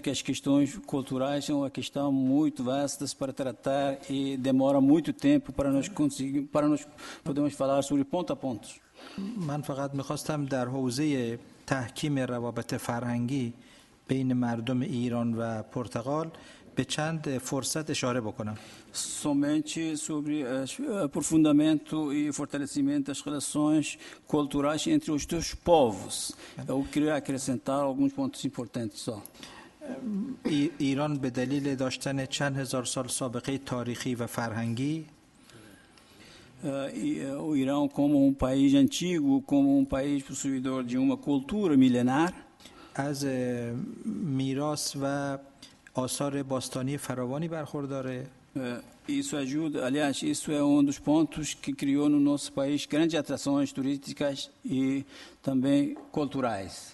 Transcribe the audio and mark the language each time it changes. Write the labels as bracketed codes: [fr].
[pt] que as questões culturais são uma questão muito vasta para tratar e demora muito tempo para nós conseguir, para nós podemos falar sobre ponto a ponto. [fa] من فقط می‌خواستم در حوزه تحکیم روابط فرهنگی بین مردم ایران و پرتغال به چند فرصت اشاره بکنم. [pt] Somente sobre aprofundamento e fortalecimento das relações culturais entre os dois povos. Eu queria acrescentar alguns pontos importantes só. [fa] ایران به دلیل داشتن چند هزار سال سابقه تاریخی و فرهنگی [pt] O Irã como um país antigo, como um país possuidor de uma cultura milenar. [fa] از میراث و آثار باستانی فراوانی برخورداره. [pt] Isso ajuda, aliás, isso é um dos pontos que criou no nosso país grandes atrações turísticas e também culturais.